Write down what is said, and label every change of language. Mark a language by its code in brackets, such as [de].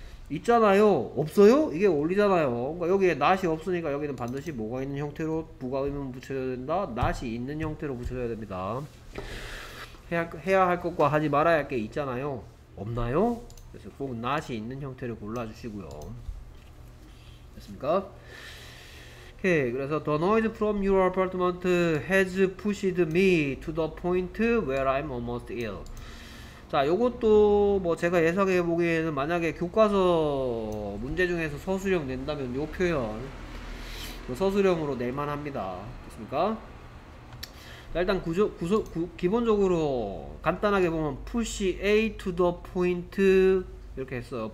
[ko] 있잖아요, 없어요? 이게 어울리잖아요. 그러니까 여기에 not이 없으니까 여기는 반드시 뭐가 있는 형태로 부가 의문 붙여줘야 된다. not이 있는 형태로 붙여줘야 됩니다. 해야 할 것과 하지 말아야 할게 있잖아요, 없나요? 그래서 꼭 not이 있는 형태를 골라주시고요. 됐습니까? 오케이. 그래서 [en] the noise from your apartment has pushed me to the point where I'm almost ill. [ko] 자, 요것도 뭐 제가 예상해 보기에는 만약에 교과서 문제 중에서 서술형 낸다면 요 표현 서술형으로 낼 만합니다. 됐습니까? 자, 일단 기본적으로 간단하게 보면 [en] push A to the point [ko] 이렇게 했어요.